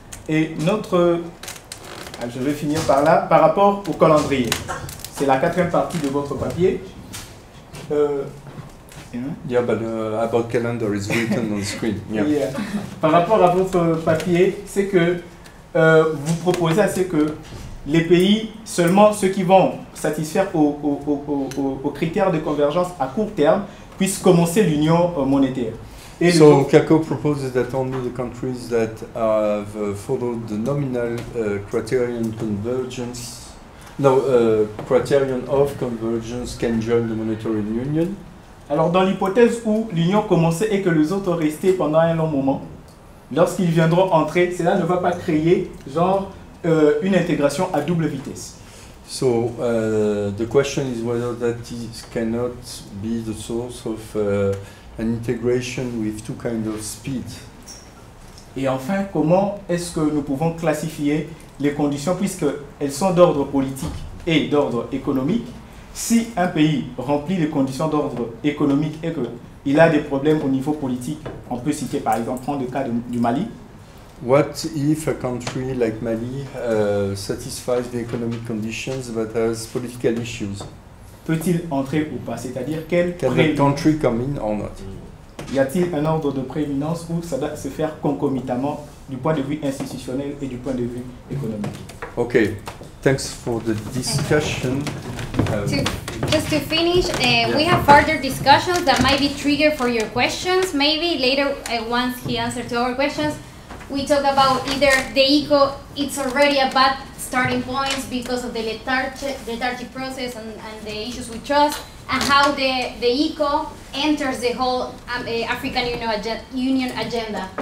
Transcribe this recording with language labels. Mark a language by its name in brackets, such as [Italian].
[French] Et notre, je vais finir par là, par rapport au calendrier. C'est la quatrième partie de votre papier. [English] Yeah, but about calendar is written on screen. Yeah. Yeah. [French] Par rapport à votre papier, c'est que vous proposez à ce que les pays, seulement ceux qui vont satisfaire aux critères de convergence à court terme, puissent commencer l'union monétaire. [English] Et so CACO proposes that only the countries that have followed the nominal criterion convergence. Criterion of convergence can join the monetary union. [French] Alors, dans l'hypothèse où l'union commençait et que les autres restaient pendant un long moment, lorsqu'ils viendront entrer, cela ne va pas créer genre une intégration à double vitesse. [English] So the question is whether that is cannot be the source of an integration with two kinds of speed. [French] Et enfin, comment est-ce que nous pouvons classifier les conditions, puisqu'elles sont d'ordre politique et d'ordre économique? Si un pays remplit les conditions d'ordre économique et qu'il a des problèmes au niveau politique, on peut citer par exemple, prendre le cas du Mali. [English] What if a country like Mali satisfies the economic conditions but has political issues? [French] Peut-il entrer ou pas? C'est-à-dire, quel [English] country come in or not? [French] Y a-t-il un ordre de prééminence ou ça doit se faire concomitamment du point de vue institutionnel et du point de vue économique? [English] Ok, thanks for the discussion. Just to finish, we have further discussions that might be triggered for your questions. Maybe later, once he answers to our questions, we talk about either the ECO, it's already a bad starting point because of the lethargic process and the issues with trust, and how the ECO enters the whole African Union agenda.